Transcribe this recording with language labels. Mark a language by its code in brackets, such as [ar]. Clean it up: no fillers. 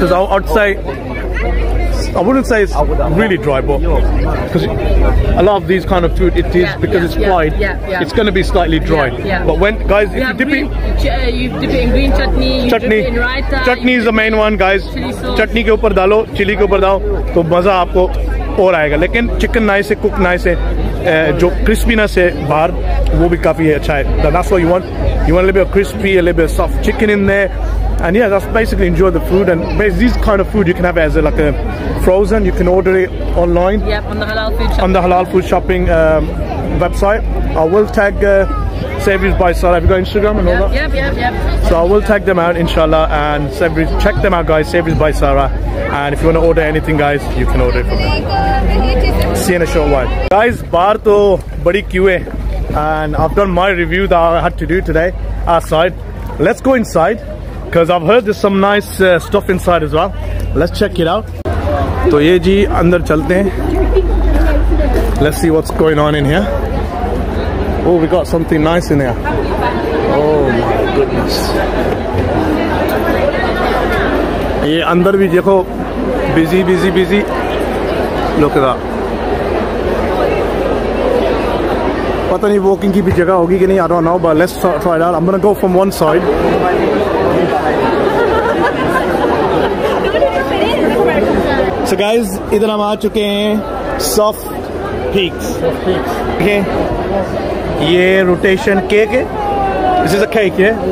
[en] Because I'd say, I wouldn't say it's really dry, but because a lot of these kind of food, it is, because it's fried, it's going to be slightly dry. But when, guys, if you dip green, it... You dip it in green chutney, you dip it in raita. Chutney is the main one, guys. Chili sauce. [hi] चटनी के डालो, chilli के डालो, तो मज़ा आपको और आएगा. लेकिन चिकन नाइस है, कुक नाइस है. जो क्रिस्पीनेस है बाहर, वो भी काफी है, अच्छा है. [en] That's what you want. You want a little bit of crispy, a little bit of soft chicken in there. And yeah, that's basically enjoy the food. And this kind of food you can have it as a, like a frozen. You can order it online. Yep, on the Halal Food Shopping. On the Halal Food Shopping website. I will tag Savories by Sarah. Have you got Instagram and all that? Yep. So I will tag them out, inshallah. And Savories, check them out, guys. Savories by Sarah. And if you want to order anything, guys, you can order it from there. See you in a short while. [hi] Guys, बार तो बड़ी Q है. [en] And I've done my review that I had to do today outside. Let's go inside. Because I've heard there's some nice stuff inside as well. Let's check it out. [hi] सो ये जी, अंदर चलते हैं. [en] Let's see what's going on in here. Oh, we got something nice in here. Oh my goodness. [hi] ये अंदर भी देखो. [en] Busy. Look at that. [hi] पता नहीं walking की भी जगह होगी कि नहीं, [en] I don't know. But let's try it out. I'm going to go from one side. So guys, [hi] idhar hum aa chuke hain soft peaks. [en] Okay. Ye rotation cake. This is a cake, yeah?